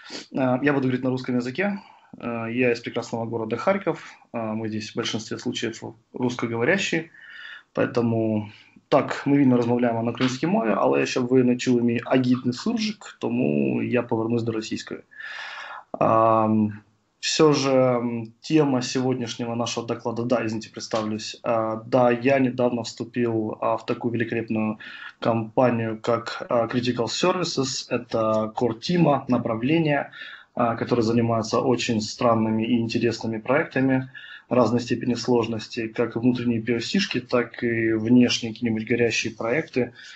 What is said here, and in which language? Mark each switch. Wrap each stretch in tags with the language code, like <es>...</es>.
<ru>Я буду говорить на русском языке. Я из прекрасного города Харьков. Мы здесь в большинстве случаев русскоговорящие. Поэтому так,</ru> <uk>мы вільно розмовляємо на українській мові, але якщо ви не чули мій агітний суржик, тому я повернусь до російської.</uk> <ru>Все же тема сегодняшнего нашего доклада, да, извините, представлюсь. Да, я недавно вступил в такую великолепную компанию, как Critical Services. Это core team, направление, которое занимается очень странными и интересными проектами разной степени сложности, как внутренние POC-шки, так и внешние какие-нибудь горящие проекты.</ru>